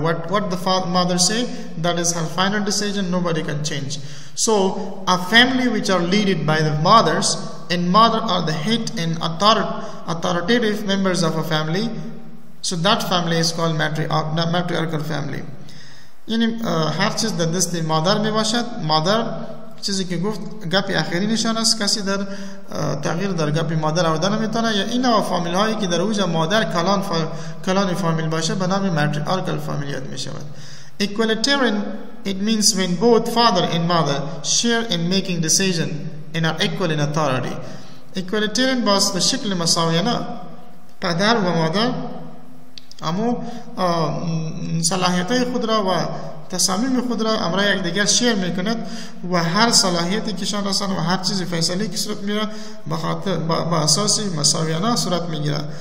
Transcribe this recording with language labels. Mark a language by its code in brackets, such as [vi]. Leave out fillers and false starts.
[en] What the mother say, that is her final decision, nobody can change. So a family which are leaded by the mothers, and mother are the head and authoritative members of a family, so that family is called matriarchal family. [fa] یعنی هر چیز در دست مادر می باشد. مادر چیزی که گفت گپی آخری نشان است. کسی در تغییر در گپی مادر آوردن می تانه. یا این نوع فامیل هایی که در اوج مادر کلان فامیل باشه به نام matriarchal فامیل یاد می شود. [en] Equalitarian, it means when both father and mother share in making decision and are equal in authority. [fa] Equalitarian باست به شکل مساویانه پدر و مادر امو صلاحیت های خود را و تصمیم خود را امرای یک دیگر شیر میکند و هر صلاحیتی کشان رسن و هر چیزی فیصلی که صورت میره به اساس مساویانه صورت میگیره.